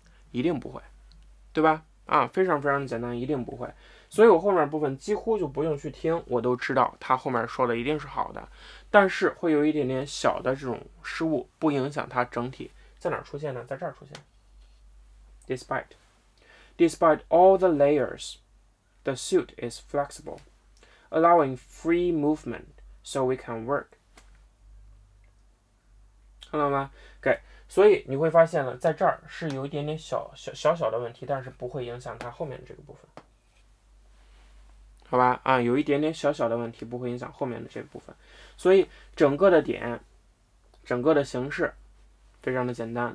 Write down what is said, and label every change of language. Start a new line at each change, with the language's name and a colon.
Chinese: 一定不会，对吧？啊，非常非常简单，一定不会。所以我后面部分几乎就不用去听，我都知道他后面说的一定是好的，但是会有一点点小的这种失误，不影响他整体。在哪出现呢？在这儿出现。
English: Despite all the layers, the suit is flexible, allowing free movement so we can work.
Chinese: 看到吗？ OK， 所以你会发现呢，在这儿是有一点点小小的问题，但是不会影响他后面这个部分。好吧，啊，有一点点小小的问题，不会影响后面的这部分，所以整个的点，整个的形式，非常的简单。